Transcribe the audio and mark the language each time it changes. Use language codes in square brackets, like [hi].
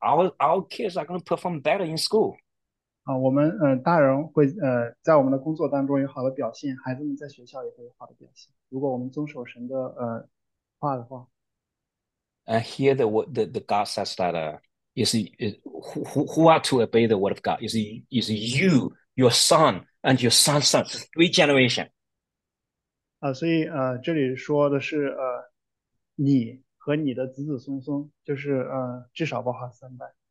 [en] Our kids are going to perform better in school. [zh] 我们大人会在我们的工作当中有好的表现，孩子们在学校也会有好的表现。如果我们遵守神的话的话。 [en] Here the God says that is who are to obey the word of God is you, your son, and your son's son, three generation. [zh] 所以这里说的是你和你的子子孙孙，就是至少包含三代。